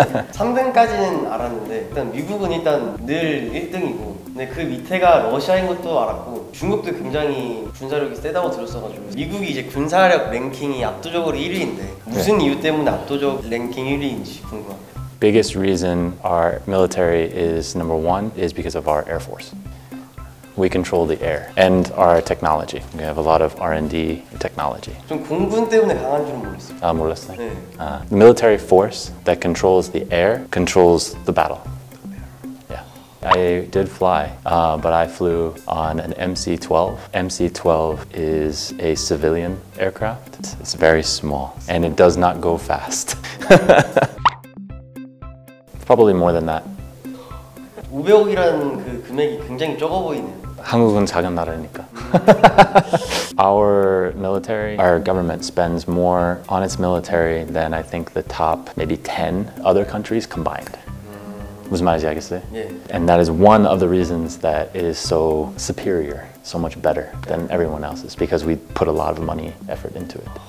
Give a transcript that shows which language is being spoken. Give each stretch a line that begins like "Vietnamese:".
Korean: 3등까지는 알았는데 일단 미국은 일단 늘 1등이고 근데 그 밑에가 러시아인 것도 알았고 중국도 굉장히 군사력이 세다고 들었어가지고 미국이 이제 군사력 랭킹이 압도적으로 1위인데 무슨 네. 이유 때문에 압도적 랭킹 1위인지 궁금합니다.
English: Biggest reason our military is number one is because of our air force. We control the air and our technology. We have a lot of R&D technology.
Korean: 좀 공군 때문에 강한 줄은 몰랐어요. 아, 몰랐어요? 네.
English: The military force that controls the air controls the battle. Yeah. I did fly, but I flew on an MC-12. MC-12 is a civilian aircraft. It's very small and it does not go fast. Probably more than that.
Korean: 500억이라는 그 금액이 굉장히 적어 보이네요. 한국은 작은 나라니까.
English: Our military, our government spends more on its military than I think the top maybe 10 other countries combined.
Korean: 무슨 말인지 알겠어요? 예.
English: And that is one of the reasons that it is so superior, so much better than everyone else's because we put a lot of money effort into it.